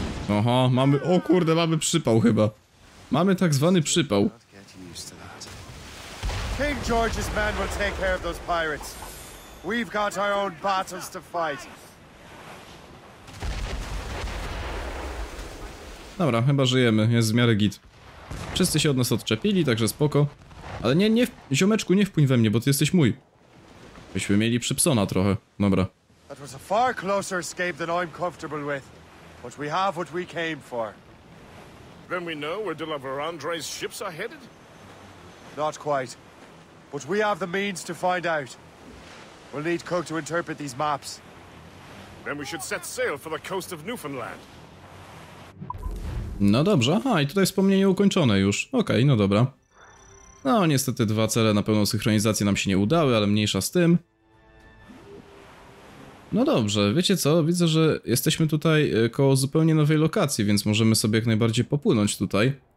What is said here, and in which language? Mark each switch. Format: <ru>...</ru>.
<pl>Oho, mamy... O kurde, mamy przypał chyba. Mamy tak zwany przypał.</pl> <en>King George's men will take care of those pirates. We've got our own battles to fight.</en> <pl>Dobra, chyba żyjemy. Jest w miarę git. Wszyscy się od nas odczepili, także spoko. Ale nie, nie, ziomeczku, nie wpłyń we mnie, bo ty jesteś mój. Byśmy mieli przypsona trochę. Dobra.</pl> <en>That was a far closer escape than I'm comfortable with. But we have what we came for. Then we know where De La Vérendrye's ships are headed? Not quite. But we have the means to find out. We'll need Cook to interpret these maps. Then we should set sail for the coast of Newfoundland.</en> <pl>No dobrze, aha, i tutaj wspomnienie ukończone już. Okej, okay, no dobra. No, niestety dwa cele na pełną synchronizację nam się nie udały, ale mniejsza z tym. No dobrze, wiecie co? Widzę, że jesteśmy tutaj koło zupełnie nowej lokacji, więc możemy sobie jak najbardziej popłynąć tutaj.</pl>